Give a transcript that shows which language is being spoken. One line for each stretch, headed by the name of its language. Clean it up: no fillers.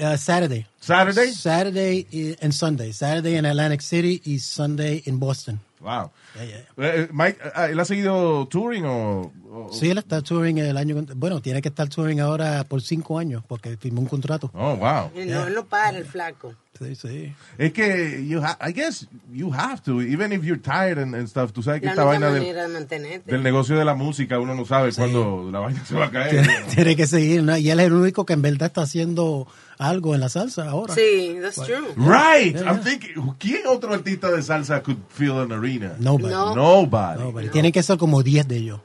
English: Saturday? Saturday and Sunday. Saturday in Atlantic City y Sunday in Boston. Wow. Yeah.
Spanish: Mike, ¿él ha seguido touring o...? Sí, él está touring el año... Bueno, tiene que estar touring ahora por 5 años porque firmó un contrato.
English: Oh, wow. Yeah.
Spanish: No, no para el flaco. Sí, sí. Es que,
English: I guess you have to, even if you're tired and stuff,
Spanish: tú sabes que la esta vaina del negocio de la música, uno no sabe cuándo la vaina se va a caer. Tiene que seguir, ¿no? Y él es el único que en verdad está haciendo... algo en la salsa ahora. Sí,
English: that's true. Right. Yeah, yeah. I'm thinking,
Spanish: ¿quién otro artista de salsa
English: could fill an arena? Nobody.
Spanish: Tienen que ser como 10 de ellos.